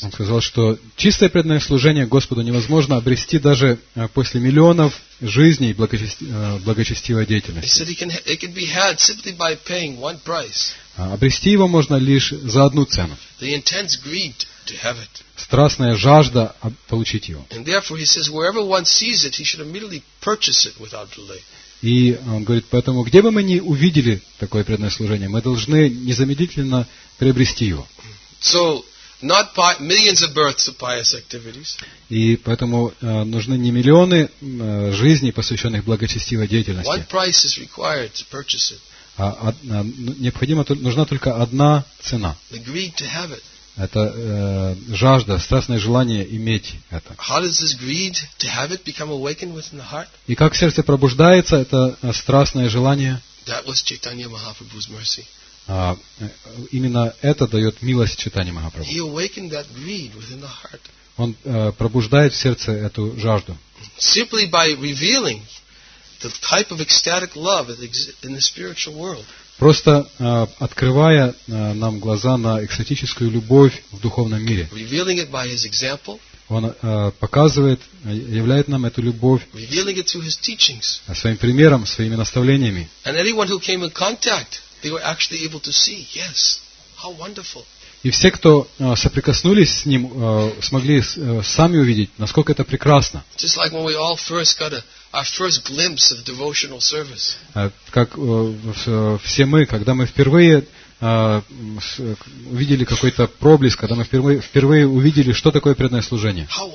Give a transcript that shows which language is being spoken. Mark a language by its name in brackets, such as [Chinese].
[Russian] Он сказал, что чистое преданное служение Господу невозможно обрести даже после миллионов жизней благочестивой деятельности. [English] He said it can be had simply by paying one price. [Russian] Обрести его можно лишь за одну цену. [English] The intense greed to have it. [Russian] Страстная жажда получить его. [English] And therefore he says wherever one sees it, he should immediately purchase it without delay. [Russian] И он говорит, поэтому, где бы мы ни увидели такое преданное служение, мы должны незамедлительно приобрести его. [English] So, not millions of births of pious activities. [Russian] И поэтому нужны не миллионы жизней, посвященных благочестивой деятельности. [English] One price is required to purchase it. [Russian] Нужна только одна цена. [English] The greed to have it. [Russian] Это жажда, страстное желание иметь это. [English] How does this greed to have it become awakened within the heart? [Russian] И как в сердце пробуждается это страстное желание? [English] That was Chaitanya Mahaprabhu's mercy. [Russian] Именно это дает милость Чайтанья Махапрабху. [English] He awakened that greed within the heart. [Russian] Он пробуждает в сердце эту жажду. [English] Simply by revealing the type of ecstatic love that exists in the spiritual world. [Russian] Просто открывая нам глаза на экстатическую любовь в духовном мире. [English] Revealing it by his example. [Russian] Он показывает, являет нам эту любовь. [English] Revealing it through his teachings. [Russian] Своим примером, своими наставлениями. [English] And anyone who came in contact, they were actually able to see, yes, how wonderful. [Russian] И все, кто соприкоснулись с ним, смогли сами увидеть, насколько это прекрасно. [English] Just like when we all first got our first glimpse of devotional service. [Russian] Как все мы, когда мы впервые увидели какой-то проблеск, когда мы впервые увидели, что такое преданное служение.